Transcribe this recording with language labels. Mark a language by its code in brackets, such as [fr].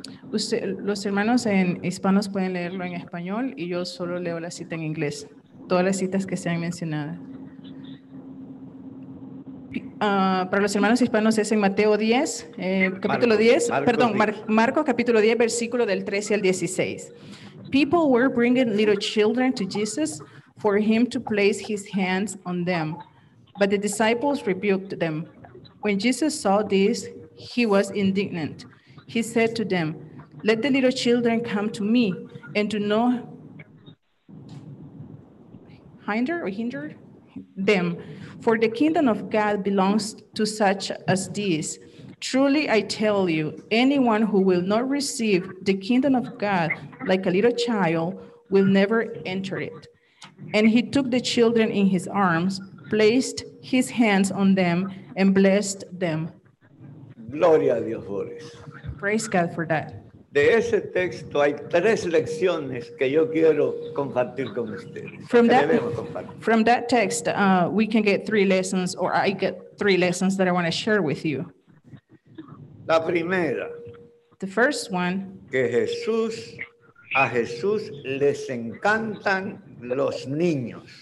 [es] Los hermanos en hispanos pueden leerlo en español y yo solo leo la cita en inglés. Todas las citas que sean mencionadas. Para los hermanos hispanos es en Mateo 10, capítulo Marcos, 10, Marcos, perdón, Marcos capítulo 10, versículo del 13 al 16. [en] People were bringing little children to Jesus for him to place his hands on them, but the disciples rebuked them. When Jesus saw this, he was indignant. He said to them, "Let the little children come to me, and do not hinder them, for the kingdom of God belongs to such as these. Truly I tell you, anyone who will not receive the kingdom of God like a little child will never enter it." And he took the children in his arms, placed his hands on them, and blessed them. [es] Gloria a Dios por eso. [en] Praise God for that. [es] De ese texto hay tres lecciones que yo quiero compartir con ustedes. [en] From that text, we can get three lessons, or I get three lessons that I want to share with you. [es] La primera. [en] The first one. [es] Que a Jesús les encantan los niños.